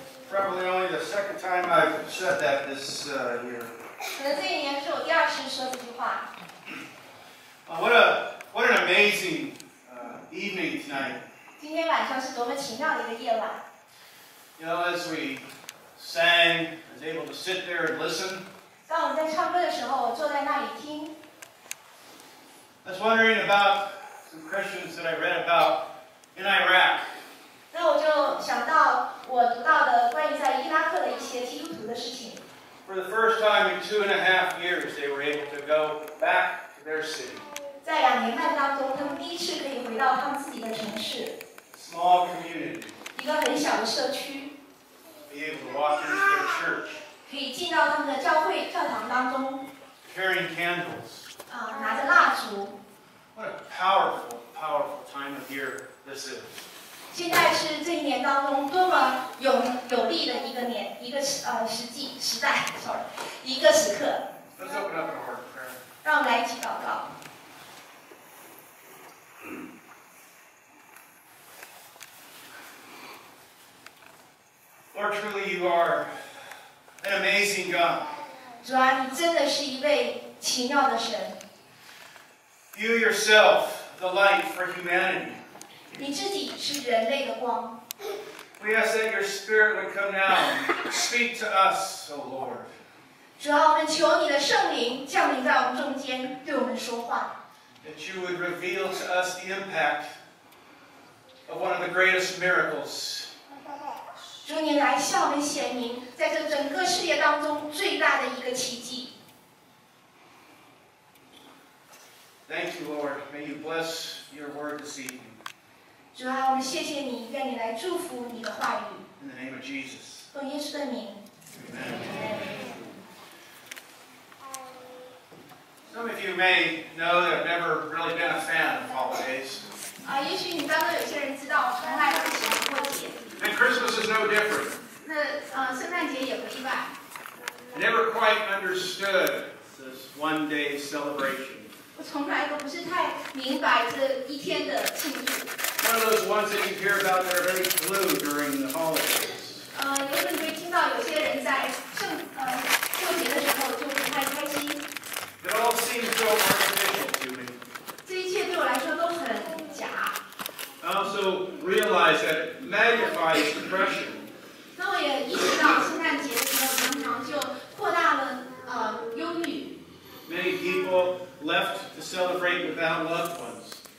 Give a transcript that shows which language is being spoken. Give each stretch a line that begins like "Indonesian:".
English: Probably only the second time I've said that this year.
Chinese: 可能这一年是我第二次说这句话。
English: What an amazing evening tonight.
Chinese: 今天晚上是多么奇妙的一个夜晚。
English: You know, as we sang, I was able to sit there and listen.
Chinese: 当我们在唱歌的时候，我坐在那里听。
English: I was wondering about some Christians that I read about in Iraq.
Chinese: 那我就想到我读到的关于在伊拉克的一些基督徒的事情。
English: For the first time in 2.5 years, they were able to go back to their city.
Chinese: 在两年半当中，他们第一次可以回到他们自己的城市。
English: Small community.
Chinese: 一个很小的社区。
English: Be able to walk into their church.
Chinese: 可以进到他们的教会教堂当中。
English: Carrying candles.
Chinese: 拿着蜡烛。
English: What a powerful, powerful time of year this is.
Chinese: 现在是这一年当中多么 有力的一个年一个时际时代 ，
English: sorry，
Chinese: 一个时刻。
English: Let's open up our heart prayer.
Chinese: 让我们来一起祷告。
English: Lord, truly, you are an amazing God.
Chinese: 主啊，你真的是一位奇妙的神。
English: You yourself, the light for humanity.
Chinese: 你自己是人类的光。
English: We ask that your spirit would come now, speak to us, O Lord.
Chinese: 主要我们求你的圣灵降临在我们中间，对我们说话。
English: That you would reveal to us the impact of one of the greatest miracles.
Chinese: 主你来向我们显明，在这整个世界当中最大的一个奇迹。
English: Thank you, Lord. May you bless your word this evening.
Chinese: 主啊，我们谢谢你，愿你来祝福你的话语。
English: In the name of Jesus.
Chinese: 奉耶稣的名。
English: Amen. Some of you may know that I've never really been a fan of holidays.
Chinese: 也许你当中有些人知道，我从来不喜欢过节。
English: And Christmas is no different.
Chinese: 那圣诞节也不例外。
English: Never quite understood this one day celebration.
Chinese: 我从来都不是太明白这一天的庆祝。
English: One of those ones that you hear about that are very blue during the holidays.
Chinese: 有时候你会听到有些人在过节的时候就不太开心。
English: It all seems so artificial to me.
Chinese: 这一切对我来说都很假。
English: I also realize that it magnifies depression.
Chinese: 那我也意识到圣诞节的时候常常就扩大了忧郁。
English: Many people left to celebrate without loved ones.